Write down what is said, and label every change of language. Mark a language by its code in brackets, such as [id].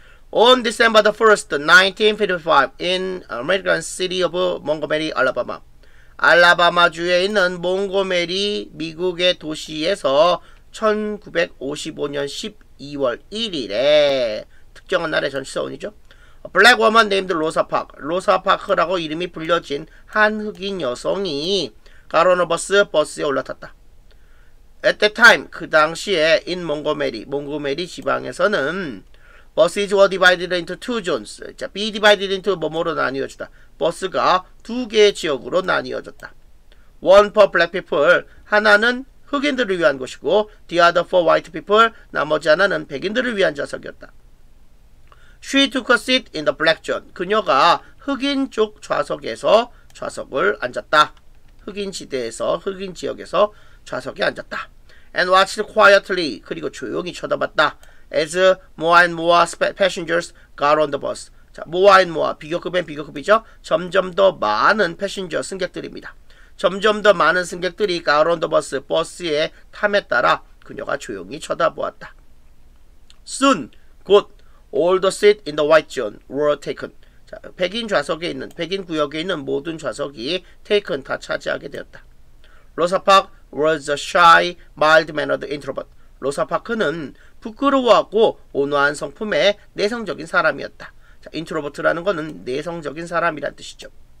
[en] On December the 1st, 1955 in American city of Montgomery, Alabama. [ko] 알라바마주에 있는 몽고메리 미국의 도시에서 1955년 12월 1일에 특정한 날의 전시사원이죠. [en] Black woman named Rosa Park. [ko] Rosa Park라고 이름이 불려진 한 흑인 여성이 가로노 버스에 올라탔다. [en] At that time, [ko] 그 당시에 [en] in Montgomery, [ko] 몽고메리 지방에서는 [en] Buses were divided into two zones. [ko] 자, be divided into 뭐뭐로 나뉘어졌다. 버스가 두 개의 지역으로 나뉘어졌다. [en] One for black people. [ko] 하나는 흑인들을 위한 곳이고, [en] the other for white people. [ko] 나머지 하나는 백인들을 위한 좌석이었다. [en] She took a seat in the black zone. [ko] 그녀가 흑인 쪽 좌석에서 좌석을 앉았다. 흑인 지대에서, 흑인 지역에서 좌석에 앉았다. [en] And watched quietly. [ko] 그리고 조용히 쳐다봤다. [en] As more and more passengers got on the bus. [ko] 자, more and more. 비교급엔 비교급이죠. 점점 더 많은 패신저 승객들입니다. 점점 더 많은 승객들이 [en] got on the bus. [ko] 버스에 탐에 따라 그녀가 조용히 쳐다보았다. [en] Soon, 곧 all the seats in the white zone were taken. [ko] 자, 백인 좌석에 있는, 백인 구역에 있는 모든 좌석이 taken 다 차지하게 되었다. [en] Rosa Parks was a shy, mild-mannered introvert. [ko] 로사 파크는 부끄러워하고 온화한 성품의 내성적인 사람이었다. 자, 인트로버트라는 것은 내성적인 사람이란 뜻이죠.